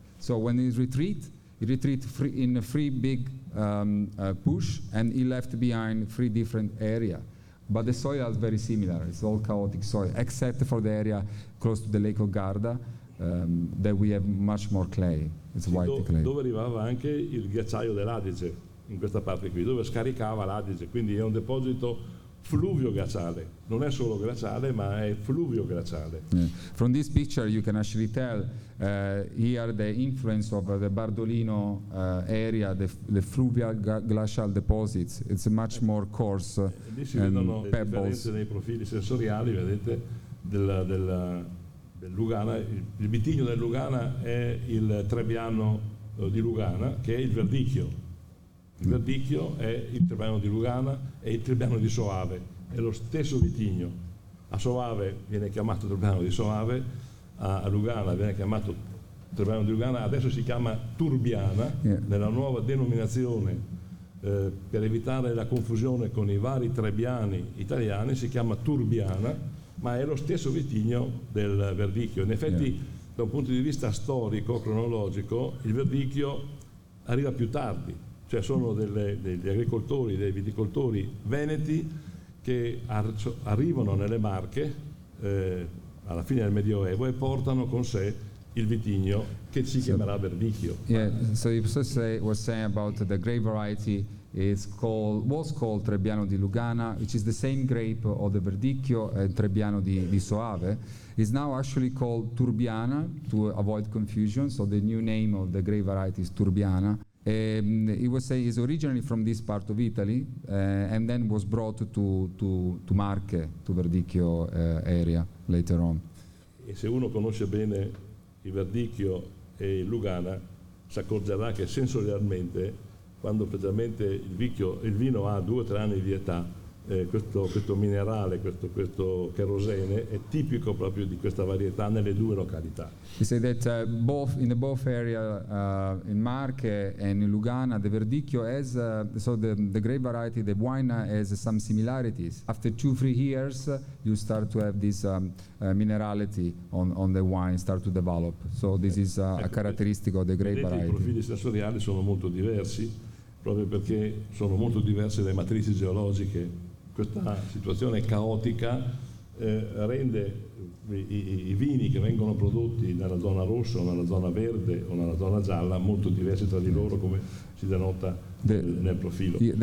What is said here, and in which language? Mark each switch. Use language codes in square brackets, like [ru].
[en] So when it retreats in three big push, and he left behind three different area, but the soil is very similar. It's all chaotic soil, except for the area close to the Lake of Garda, that we have much more clay. It's white clay. [it] Dove arrivava anche il ghiacciaio dell'Adige, in questa parte qui, dove scaricava l'Adige, quindi è un deposito fluvio glaciale, non è solo glaciale, ma è fluvio glaciale. [en] Yeah. From this picture you can actually tell here the influence of the Bardolino area, the fluvial glacial deposits. It's much more coarse. [it] Lì si vedono le differenze nei profili sensoriali, vedete, del Lugana. Il bitigno del Lugana è il Trebbiano di Lugana, che è il verdicchio. Il verdicchio è il Trebbiano di Lugana e il Trebbiano di Soave, è lo stesso vitigno. A Soave viene chiamato Trebbiano di Soave, a Lugana viene chiamato Trebbiano di Lugana, adesso si chiama Turbiana, nella nuova denominazione, per evitare la confusione con i vari Trebbiani italiani, si chiama Turbiana, ma è lo stesso vitigno del verdicchio. In effetti, da un punto di vista storico, cronologico, il verdicchio arriva più tardi. Cioè sono degli agricoltori, dei viticoltori veneti che arrivano nelle Marche alla fine del Medioevo e portano con sé il vitigno che si chiamerà verdicchio. [en] So you were saying about the grape variety was called Trebbiano di Lugana, which is the same grape of the verdicchio and Trebbiano di Soave. Is now actually called Turbiana to avoid confusion. So the new name of the grape variety is Turbiana. He was saying he's originally from this part of Italy and then was brought to Marche, to Verdicchio area later on. [it] E se uno conosce bene il Verdicchio e il Lugana, si accorgerà che sensorialmente, quando praticamente il vino ha 2-3 anni di età, questo minerale, questo cherosene è tipico proprio di questa varietà nelle due località. [en] He said that both area in Marche and in Lugana the Verdicchio has the grape variety, the wine has some similarities. After 2-3 years you start to have this minerality on the wine start to develop. So this is a characteristic of the grape variety. [it] I profili sensoriali sono molto diversi proprio perché sono molto diverse le matrici geologiche. Questa situazione caotica rende i vini che vengono prodotti nella zona rossa, nella zona verde o nella zona gialla molto diversi tra di loro, come si denota nel profilo.